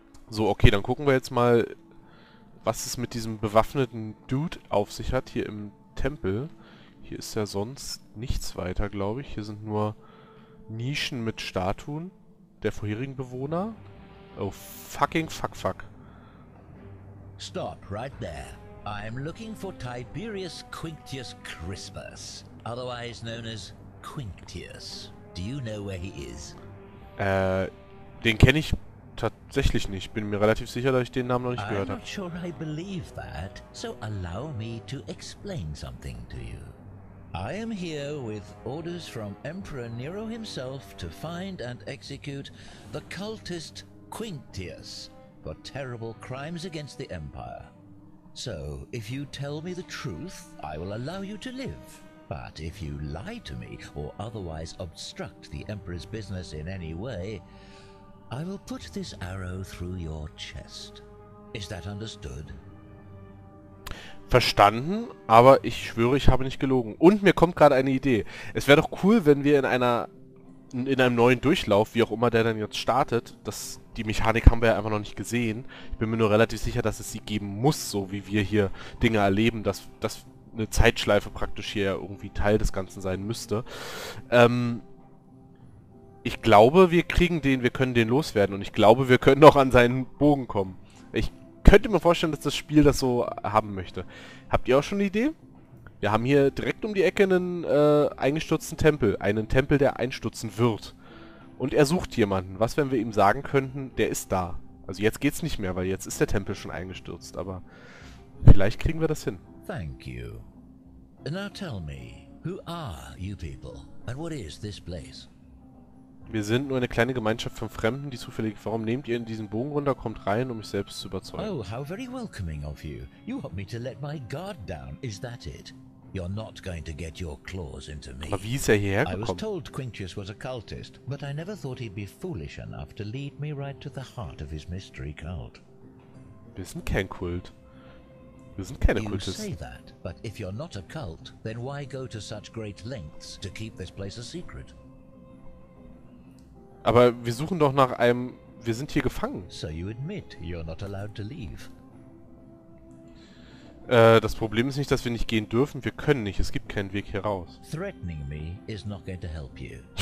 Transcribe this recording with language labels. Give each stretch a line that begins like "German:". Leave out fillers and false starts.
German: So, okay, dann gucken wir jetzt mal, was es mit diesem bewaffneten Dude auf sich hat hier im Tempel. Hier ist ja sonst nichts weiter, glaube ich. Hier sind nur Nischen mit Statuen der vorherigen Bewohner.
English: Oh, fucking fuck fuck. Stop right there. I'm looking for Tiberius Quinctius Crispus, otherwise known as Quinctius. Do you know where he is?
German: Den kenne ich tatsächlich nicht. Bin mir relativ sicher, dass ich den Namen noch nicht gehört habe.
English: I'm not sure I believe that, so allow me to explain something to you. I am here with orders from Emperor Nero himself to find and execute the cultist Quinctius for terrible crimes against the Empire. So, if you tell me the truth, I will allow you to live. But if you lie to me or otherwise obstruct the Emperor's business in any way, I will put this arrow through your chest. Is that understood?
German: Verstanden, aber ich schwöre, ich habe nicht gelogen. Und mir kommt gerade eine Idee. Es wäre doch cool, wenn wir in einem neuen Durchlauf, wie auch immer der dann jetzt startet, die Mechanik haben wir ja einfach noch nicht gesehen. Ich bin mir nur relativ sicher, dass es sie geben muss, so wie wir hier Dinge erleben, dass eine Zeitschleife praktisch hier irgendwie Teil des Ganzen sein müsste. Ich glaube, wir können den loswerden und ich glaube, wir können auch an seinen Bogen kommen. Ich könnte mir vorstellen, dass das Spiel das so haben möchte. Habt ihr auch schon eine Idee? Wir haben hier direkt um die Ecke einen eingestürzten Tempel. Einen Tempel, der einstürzen wird. Und er sucht jemanden. Was, wenn wir ihm sagen könnten, der ist da? Also jetzt geht's nicht mehr, weil jetzt ist der Tempel schon eingestürzt. Aber vielleicht kriegen wir das hin.
English: Thank you. Now tell me, who are you people? And what is this place?
German: Wir sind nur eine kleine Gemeinschaft von Fremden, die zufällig... Warum nehmt ihr in diesen Bogen runter? Kommt rein, um mich selbst zu überzeugen.
English: Oh, how very welcoming of you. You want me to let my guard down, is that it? You're not going to get your claws into me.
German: Aber wie ist er hierher gekommen?
English: I was told Quinctius was a cultist, but I never thought he'd be foolish enough to lead me right to the heart of his mystery cult.
German: Wir sind kein Kult. Wir sind keine Kultisten.
English: You say that, but if you're not a cult, then why go to such great lengths to keep this place a secret?
German: Aber wir suchen doch nach einem... Wir sind hier gefangen.
English: So you admit you're not allowed to leave.
German: Das Problem ist nicht, dass wir nicht gehen dürfen. Wir können nicht. Es gibt keinen Weg hier raus.
English: Threatening me is not going to help you.